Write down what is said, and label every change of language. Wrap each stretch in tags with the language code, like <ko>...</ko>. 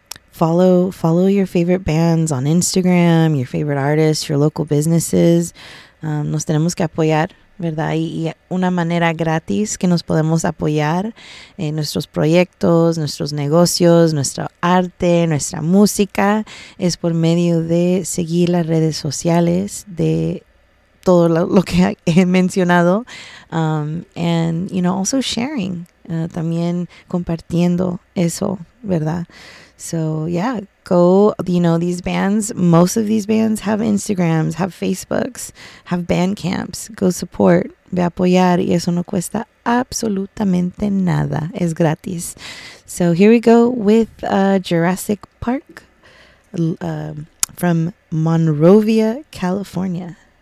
<en>Follow your favorite bands on Instagram, your favorite artists, your local businesses.</en> <es>Nos tenemos que apoyar, ¿verdad? Y una manera gratis que nos podemos apoyar en nuestros proyectos, nuestros negocios, nuestro arte, nuestra música, es por medio de seguir las redes sociales de todo lo que he mencionado.</es> <en>Also sharing,</en> <es>también compartiendo eso, ¿verdad?</es> <en>So, yeah, go, you know, these bands, most of these bands have Instagrams, have Facebooks, have band camps. Go support,</en> <es>ve apoyar, y eso no cuesta absolutamente nada. Es gratis.</es> <en>So, here we go with Jurassic Park from Monrovia, California.</en>